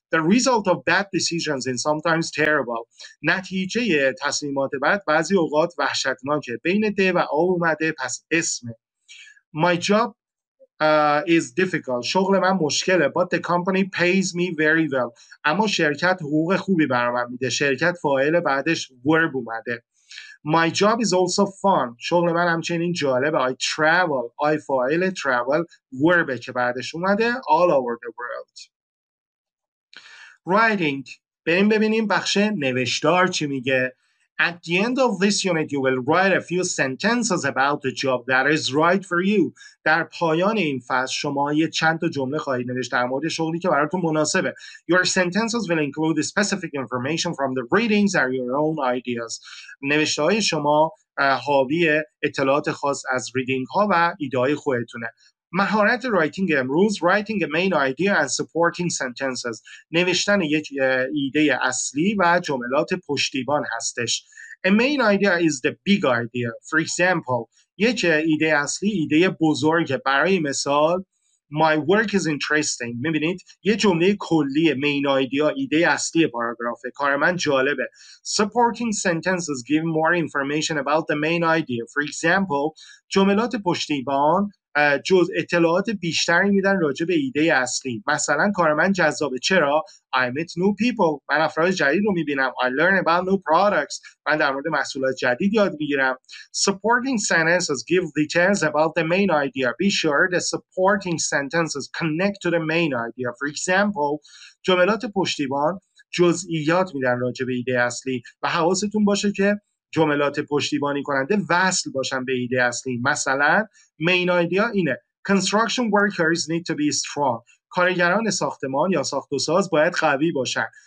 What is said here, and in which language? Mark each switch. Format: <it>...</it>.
<en>The result of bad decisions is sometimes terrible.</en> <fa>نتیجه تصمیمات بد بعضی اوقات وحشتناکه. بین ده و آب اومده پس اسمه.</fa> <en>My job is difficult.</en> <fa>شغل من مشکله.</fa> <en>But the company pays me very well.</en> <fa>اما شرکت حقوق خوبی برام میده. شرکت فاعل بعدش verb اومده.</fa> <en>My job is also fun.</en> <fa>شغل من همچنین جالبه.</fa> <en>I travel. I فاعل travel. Verbه که بعدش اومده. All over the world. Writing.</en> <fa>بریم ببینیم بخش نوشتار چی میگه.</fa> <en>At the end of this unit you will write a few sentences about the job that is right for you.</en> <fa>در پایان این فصل شما یه چند تا جمله خواهید نوشت در مورد شغلی که براتون مناسبه.</fa> <en>Your sentences will include specific information from the readings or your own ideas.</en> <fa>نوشته های شما حاوی اطلاعات خاص از ریدینگ ها و ایده های خودتونه. مهارت رایتینگ امروز</fa> <en>writing main idea and supporting sentences</en> <fa>نوشتن یک ایده اصلی و جملات پشتیبان هستش.</fa> <en>A main idea is the big idea. For example,</en> <fa>یک ایده اصلی ایده بزرگه. برای مثال</fa> <en>My work is interesting.</en> <fa>می‌بینید یه جمله کلی مین ایده ایده اصلی پاراگراف کار من جالبه.</fa> <en>Supporting sentences give more information about the main idea. For example,</en> <fa>جملات پشتیبان جز اطلاعات بیشتری میدن راجع به ایده اصلی. مثلا کار من جذابه. چرا؟</fa> <en>I meet new people.</en> <fa>من افراد جدید رو میبینم.</fa> <en>I learn about new products.</en> <fa>من در مورد محصولات جدید یاد میگیرم.</fa> <en>Supporting sentences give details about the main idea. Be sure the supporting sentences connect to the main idea. For example,</en> <fa>جملات پشتیبان جزئیات میدن راجع به ایده اصلی و حواستون باشه که جملات پشتیبانی کننده وصل باشن به ایده اصلی. مثلا مین ایده اینه</fa> <en>Construction workers need to be strong.</en> <fa>کارگران ساختمان یا ساخت و ساز باید قوی باشن.</fa>